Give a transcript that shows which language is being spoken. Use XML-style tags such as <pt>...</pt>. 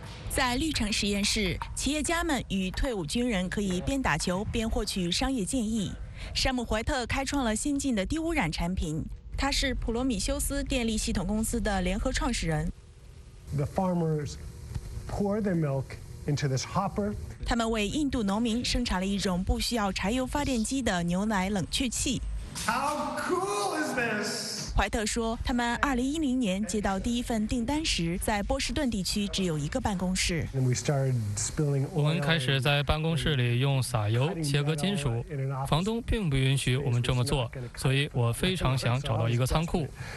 <zh>在绿城实验室，企业家们与退伍军人可以边打球边获取商业建议。山姆·怀特开创了先进的低污染产品，他是普罗米修斯电力系统公司的联合创始人。</zh> <en>The farmers pour their milk into this hopper.</en> <zh>他们为印度农民生产了一种不需要柴油发电机的牛奶冷却器。</zh> <en>How cool is this?</en> <zh>怀特说，他们2010年接到第一份订单时，在波士顿地区只有一个办公室。我们开始在办公室里用撒油切割金属，房东并不允许我们这么做，所以我非常想找到一个仓库。</zh>